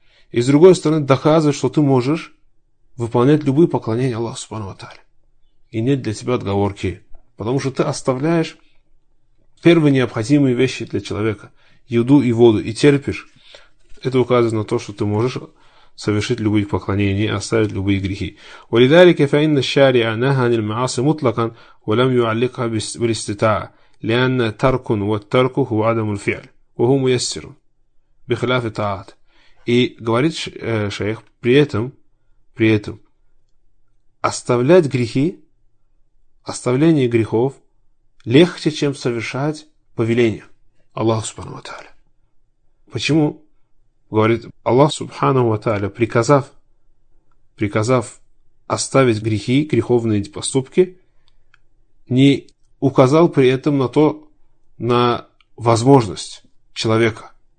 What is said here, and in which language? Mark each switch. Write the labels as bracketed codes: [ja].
[ru] И с другой стороны, доказывает, что ты можешь выполнять любые поклонения Аллаху Субхану ва Тааля. И нет для тебя отговорки. Потому что ты оставляешь первые необходимые вещи для человека. Еду и воду. И терпишь. Это указывает на то, что ты можешь совершить любые поклонения и оставить любые грехи. [ar] ولذلك فإن الشارع نهى عن المعاصي مطلقا ولم يعلقها بالاستطاعة لأن ترك والترك هو عدم الفعل وهو ميسر بخلاف الطاعات. [ru] И говорит шейх, при этом оставлять грехи, оставление грехов легче, чем совершать повеление Аллаху Субхану ва Тааля. Почему? Говорит, Аллах Субханаху ва Тааля, приказав оставить грехи, греховные поступки, не указал при этом на то, на возможность человека.